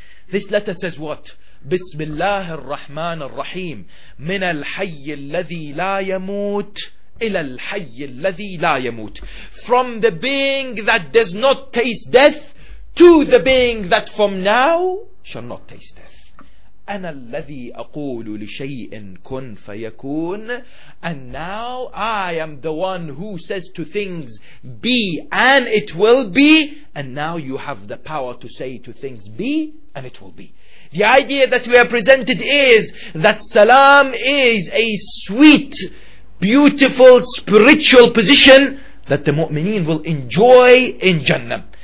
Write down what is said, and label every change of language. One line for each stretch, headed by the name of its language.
English: This letter says what? Bismillah ar-Rahman ar-Rahim.
Arabic: Min al-hayy alladhi la yamut ila al-hayy alladhi la yamut.
English: From the being that does not taste death to the being that from now shall not taste death.
Arabic: أنا الذي أقول لشيء كن فيكون.
English: And now I am the one who says to things be and it will be. And now you have the power to say to things be and it will be. The idea that we are presented is that salam is a sweet, beautiful, spiritual position that the mu'mineen will enjoy in Jannah.